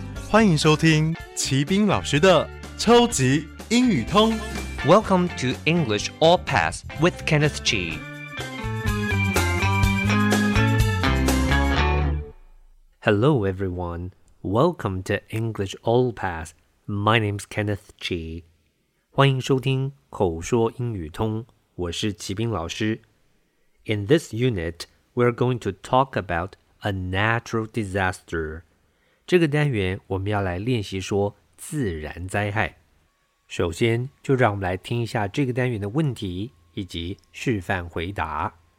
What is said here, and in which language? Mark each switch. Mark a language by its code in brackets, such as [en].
[zh] 欢迎收听齐宾老师的超级英语通。 [en] Welcome to English All Pass with Kenneth G. Hello everyone, welcome to English All Pass. My name's Kenneth Chi. [zh] 欢迎收听口说英语通，我是齐宾老师。 [en] In this unit, we're going to talk about a natural disaster. [zh] 这个单元我们要来练习说自然灾害。首先，就让我们来听一下这个单元的问题以及示范回答。